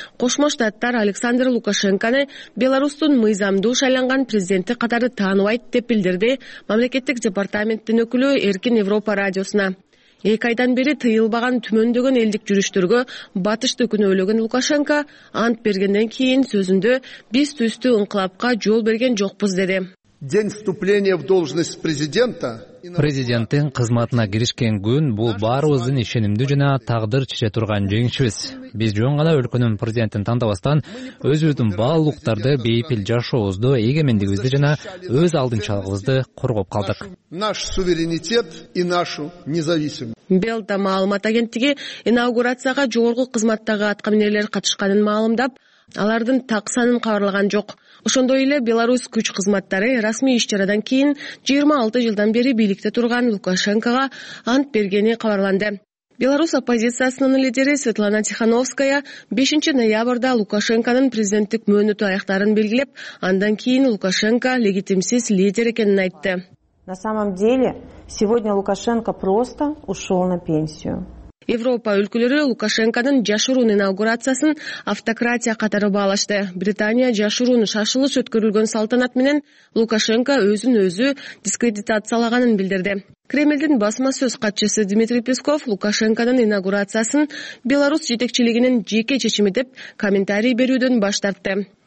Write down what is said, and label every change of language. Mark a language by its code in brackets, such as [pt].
[ky] Кошмо Штаттар Александр Лукашенкону Беларусьтун мыйзамдуу шайланган президенти катары тааныбайт деп билдирди мамлекеттик департаменттин өкүлү Эркин Европа радиосуна. Эки айдан бери тыйылбаган түмөндөгөн элдик жүрүштөргө батышты күнөөлөгөн Лукашенко ант бергенден кийин сөзүндө биз түстүү инкылапка жол берген жокпуз деди. [ru] День вступления в должность президента. [ky] Президенттин кызматына киришкен күн бул баарыбыздын ишенимдүү жана тагдыр чече турган жеңишибиз. Биз жөн гана өлкөнүн президентин тандабастан өзүбүздүн баалуулуктарды, бейпил жашообузду, эгемендигибизди жана өз алдынчалыгыбызды коргоп калдык. [ru] Наш суверенитет и нашу независимость. [ky] Белта маалымат агенттиги инаугурацияга жогорку кызматтагы аткаминерлер катышканын маалымдап, алардын так санын кабарлаган жок. Ошондой эле Беларусь күч кызматтары расмий иш-чарадан кийин 26 жылдан бери бийликте турган Лукашенкага ант бергени кабарланды. Беларусь оппозициясынын лидери Светлана Тихановская 5 ноябрда Лукашенконун президенттик мөөнөтү аяктарын белгилеп, андан кийин Лукашенко легитимсиз лидер экенин айтты. [ru] На самом деле, сегодня Лукашенко просто ушел на пенсию. [ky] Европа өлкөлөрү Лукашенконун жашыруун инаугурациясын автократия катары баалашты. Британия жашыруун шашылыш өткөрүлгөн салтанат менен Лукашенко өзүн өзү дискредитациялаганын билдирди. Кремлдин басма сөз катчысы Дмитрий Песков Лукашенконун инаугурациясын Беларусь жетекчилигинин жеке чечими деп комментарий берүүдөн баш тартты.